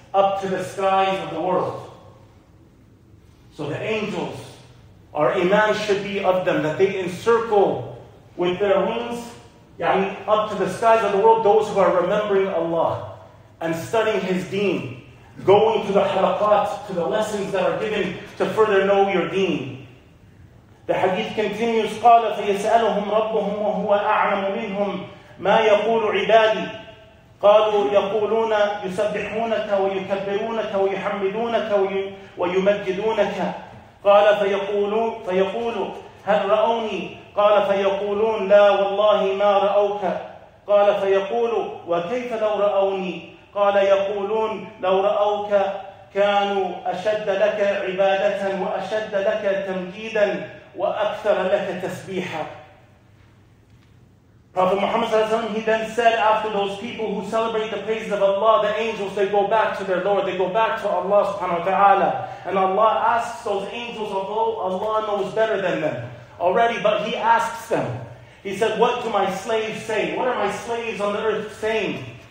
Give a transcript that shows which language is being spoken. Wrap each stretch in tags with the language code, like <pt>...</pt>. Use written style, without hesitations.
<en>up to the skies of the world. So the angels, our iman should be of them, that they encircle with their wings, yani up to the skies of the world, those who are remembering Allah and studying His deen, going to the halaqat, to the lessons that are given to further know your deen. The hadith continues,</en> <ar>قَالَ فَيَسْأَلُهُمْ رَبُّهُمْ وَهُوَ أَعْلَمُ مِنْهُمْ مَا يَقُولُ عِبَادِي قالوا يقولون يسبحونك ويكبرونك ويحمدونك ويمجدونك قال فيقول هل رأوني قال فيقولون لا والله ما رأوك قال فيقول وكيف لو رأوني قال يقولون لو رأوك كانوا أشد لك عبادة وأشد لك تمجيدا وأكثر لك تسبيحا.</ar> <en>Prophet Muhammad ﷺ, he then said, after those people who celebrate the praises of Allah, the angels, they go back to their Lord, they go back to Allah subhanahu wa ta'ala. And Allah asks those angels, although Allah knows better than them already, but He asks them. He said, what do my slaves say? What are my slaves on the earth saying?</en>